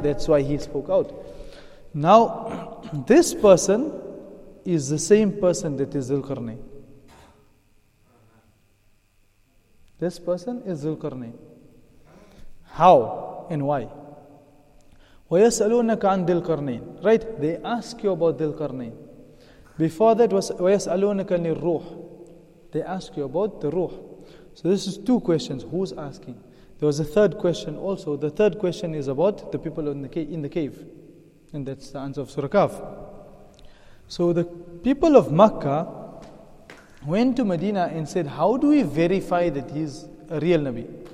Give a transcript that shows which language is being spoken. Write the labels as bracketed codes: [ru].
[en] That's why he spoke out. Now, this person is the same person that is Dhulqarnain. This person is Dhulqarnain. How and why? [ar] وَيَسْأَلُونَكَ عَنْ دِلْقَرْنَيْنِ. [en] Right? They ask you about Dhulqarnain. Before that was [ar] وَيَسْأَلُونَكَ عَنِ الرُّوحِ. [en] They ask you about the ruh. So this is two questions. Who's asking? There was a third question also. The third question is about the people in the cave. And that's the answer of Surah Kahf. So the people of Makkah went to Medina and said, how do we verify that he's a real Nabi?